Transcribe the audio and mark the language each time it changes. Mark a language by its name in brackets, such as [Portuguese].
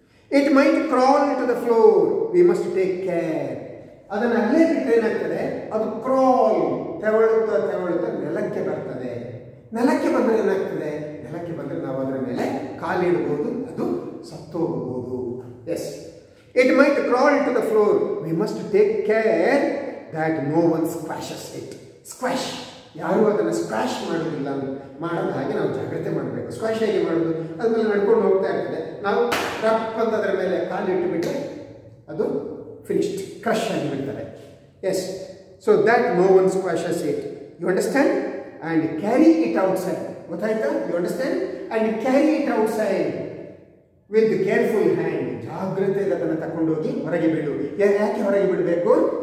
[English] it might crawl to the floor we must take care [Kannada] ಅದನ್ನು ಅಲ್ಲೇ ಬಿಟ್ಟು ಏನಾಗ್ತದೆ ಅದು ಕ್ರಾಲ್ ತೆವಳುತ್ತಾ ತೆವಳುತ್ತಾ ನೆಲಕ್ಕೆ ಬರ್ತದೆ ನೆಲಕ್ಕೆ ಬಂದರೆ ಏನಾಗ್ತದೆ ನೆಲಕ್ಕೆ ಬಂದರೆ ನಾವು ಅದರ ಮೇಲೆ ಕಾಲಿಡಬಹುದು ಅದು ಸತ್ತೋಗಬಹುದು S [English] It might crawl to the floor. We must take care that no one squashes it. Squash. [Kannada] ಯಾರು ಅದನ್ನು ಸ್ಕ್ವಾಶ್ ಮಾಡೋದಿಲ್ಲ ಮಾಡದ ಹಾಗೆ ನಾವು ಜಾಗ್ರತೆ ಮಾಡಬೇಕು ಸ್ಕ್ವಾಶ್ ಹೇಗೆ ಮಾಡೋದು ಅದನ್ನು ನಡ್ಕೊಂಡು ಹೋಗ್ತಾ ಇರ್ತದೆ ನಾವು ರಫ್ ಅಂತ ಅದರ ಮೇಲೆ ಕಾಲು ಇಟ್ಟುಬಿಟ್ಟು ಅದು ಫಿನಿಶ್ಡ್ ಕ್ರಶ್ ಆಗಿಬಿಡ್ತಾರೆ [English] yes so that no one squashes it you understand and carry it outside [Kannada] ಗೊತ್ತಾಯ್ತಾ [English] you understand and carry it outside with careful hand [Kannada] ಜಾಗ್ರತೆ ಅದನ್ನು ತಗೊಂಡೋಗಿ ಹೊರಗೆ ಬಿಡು ಯಾಕೆ ಹೊರಗೆ ಬಿಡಬೇಕು